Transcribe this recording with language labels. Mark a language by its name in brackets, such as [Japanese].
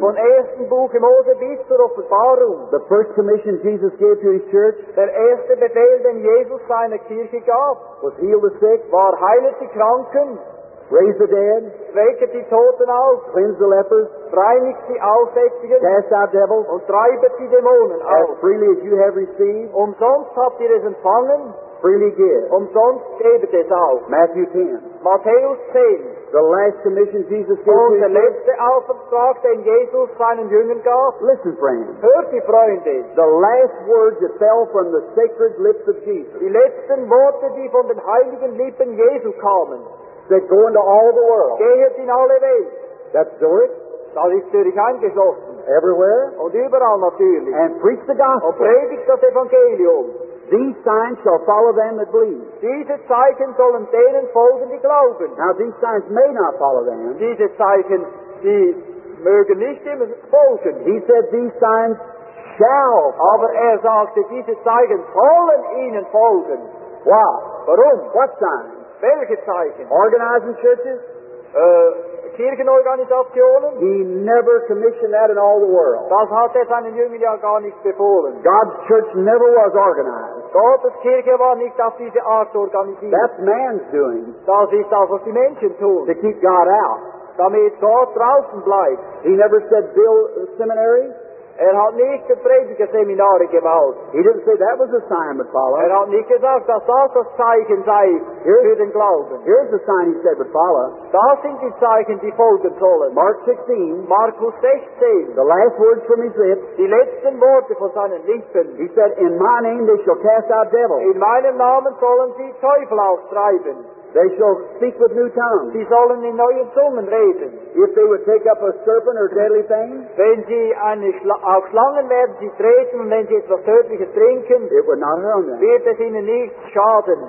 [German] Von ersten Buch Mose bis zur Offenbarung. [English] The first commission Jesus gave to his church. [German] Der erste Befehl, den Jesus seiner Kirche gab. [English] Was heal the sick. [German] War heilet die Kranken. [English] Raise the dead. [German] Weckt die Toten auf. [English] Cleanse the lepers. [German] Reinigt die Aussätzigen. [English] Cast out devils. [German] Und treibet die Dämonen [English] as [German] auf. [English] As freely as you have received. [German] Umsonst habt ihr es empfangen. [English] Freely give. [German] Umsonst gebt es auf. [English] Matthew 10. [German] Matthäus 10. [English] The last commission Jesus gave to the [German] letzte Auftrag, den Jesus seinen Jüngern gab. [English] Listen, friends. [German] Hört die Freunde. [English] The last words that fell from the sacred lips of Jesus. [German] Die letzten Worte, die von den heiligen Lippen Jesu kamen. [English] That go into all the world. [German] Gehet in alle Welt. [English] That's Zurich. [German] Das ist Zürich eingeschlossen. [English] Everywhere. [German] Und überall natürlich. [English] And preach the gospel. [German] Und predigt das Evangelium. [English] These signs shall follow them that believe. [German] Diese Zeichen sollen denen folgen, die glauben. [English] Now these signs may not follow them. [German] Diese Zeichen, die mögen nicht dem folgen. [English] He said these signs shall follow. [German] Aber sagte, diese Zeichen sollen ihnen folgen. [English] Why? [German] Warum? [English] What signs? [German] Welche Zeichen? [English] Organizing churches? [German] Kirchenorganisationen? [English] He never commissioned that in all the world. [German] Das hat er seinen Jüngern ja gar nicht befohlen. [English] God's church never was organized. [German] Gottes Kirche war nicht auf diese Art organisiert. [English] That's man's doing. [German] Das ist das, was die Menschen tun. [English] To keep God out. [German] Damit Gott draußen bleibt. [English] He never said build a seminary. [German] Er hat nicht Predigerseminare gebaut. [English] He didn't say that was a sign would follow. [German] Er hat nicht gesagt, dass das ein Zeichen sei für den Glauben. [English] Here's the sign he said would follow. [German] Das sind die Zeichen, die folgen sollen. [English] Mark 16. [German] Markus 16. [English] The last words from his lips. [German] Die letzten Worte von seinen Lippen. [English] He said, in my name they shall cast out devils. [German] In meinem Namen sollen sie Teufel austreiben. [English] They shall speak with new tongues. [German] Sie sollen in neuen Zungen reden. [English] If they would take up a serpent or deadly thing, [German] wenn sie eine auf Schlangen werden sie treten und wenn sie etwas Tödliches trinken, [English] it would not harm them. [German] Wird es ihnen nicht schaden.